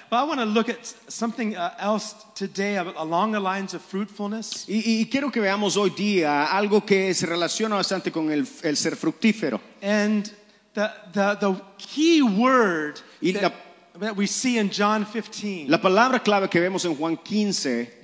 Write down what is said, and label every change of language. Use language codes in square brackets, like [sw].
[en] Well, I want to look at something else today along the lines of fruitfulness. [es] Y quiero que veamos hoy día algo que se relaciona bastante con el ser fructífero. [en] And the key word that we see in John 15. [es] La palabra clave que vemos en Juan 15.